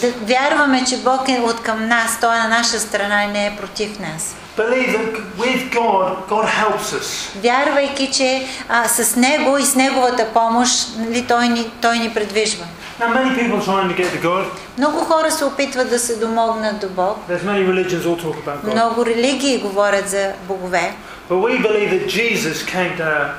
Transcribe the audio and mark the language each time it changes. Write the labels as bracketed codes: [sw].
[bg] Да вярваме, че Бог е откъм нас, Той е на наша страна и не е против нас. [en] Believe that with God, God helps us. [bg] Вярвайки, че с Него и с Неговата помощ, нали, той ни предвижва. [en] Now many people are trying to get to God. [bg] Много хора се опитват да се домогнат до Бог. [en] There's many religions all talk about God. [bg] Много религии говорят за богове. [en] But we believe that Jesus came to.